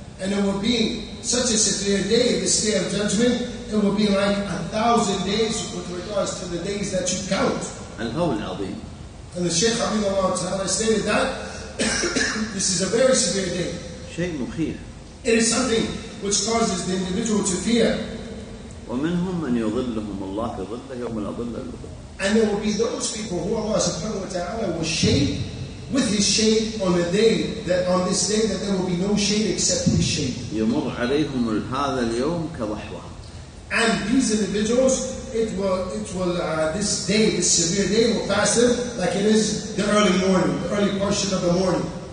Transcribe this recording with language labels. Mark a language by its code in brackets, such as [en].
[en] And it will be such a severe day, this day of judgment, it will be like 1,000 days with regards to the days that you count. And the Shaykh Habibullah Ta'ala stated that this is a very severe day. [ar] شيء مخيف. [en] It is something which causes the individual to fear. [ar] ومنهم من يظلهم الله ظل يوم الأظل الأظل. [en] And there will be those people who Allah subhanahu wa ta'ala will shade with his shade on a day that on this day that there will be no shade except his shade. [ar] يمر عليهم هذا اليوم كضحوة. [en] And these individuals, this day, this severe day will pass them like it is the early morning, the early portion of the morning.